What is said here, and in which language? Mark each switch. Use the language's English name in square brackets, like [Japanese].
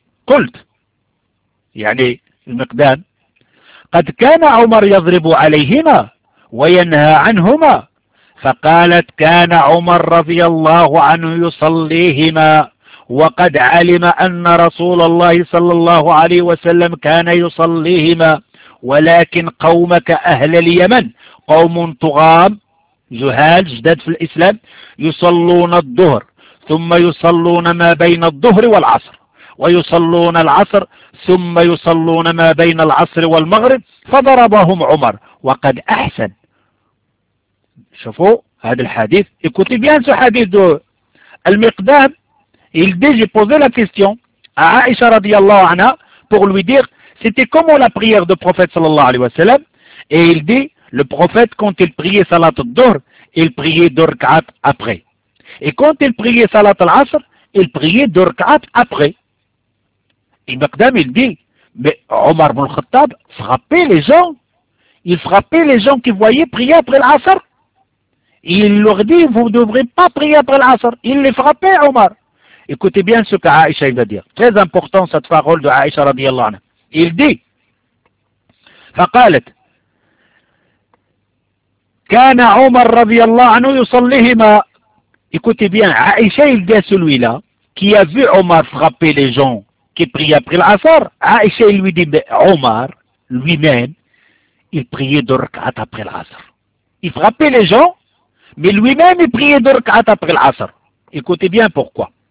[Arabic] قلت، يعني المقدام، قد كان عمر يضرب عليهما وينهى عنهما، فقالت كان عمر رضي الله عنه يصليهما وقد علم أن رسول الله صلى الله عليه وسلم كان يصليهما، ولكن قومك أهل اليمن قوم طغام جهال جداد في الإسلام يصلون الظهر ثم يصلون ما بين الظهر والعصر ويصلون العصر ثم يصلون ما بين العصر والمغرب، فضربهم عمر وقد أحسن. شوفوا هذا الحديث، [French] écoutez bien ce hadith de المقدام. Il dit j'ai posé la question à Aïcha [Arabic] رضي الله عنها [French] pour lui dire c'était comment la prière du prophète [Arabic] صلى الله عليه وسلم، [French] et il dit le prophète quand il priait salat al-dhuhr il priait deux rak'at après. Et quand il priait salat al-asr, il priait deux rak'at après. Et Maqdam, il dit, mais Omar ibn al-Khattab frappait les gens. Il frappait les gens qui voyaient prier après l'asr. Il leur dit, vous ne devrez pas prier après l'asr. Il les frappait, Omar. Écoutez bien ce qu'Aïcha va dire. Très important cette parole de Aïcha radiallahu anha. Il dit, فقالت كان عمر رضي الله عنه يصليهما. Écoutez bien, Aïcha, il dit à celui-là qui a vu Omar frapper les gens qui priaient après l'asr, Aïcha, il lui dit, mais Omar, lui-même, il priait deux rak'at après l'asr. Il frappait les gens, mais lui-même, il priait deux rak'at après l'asr. Écoutez bien pourquoi.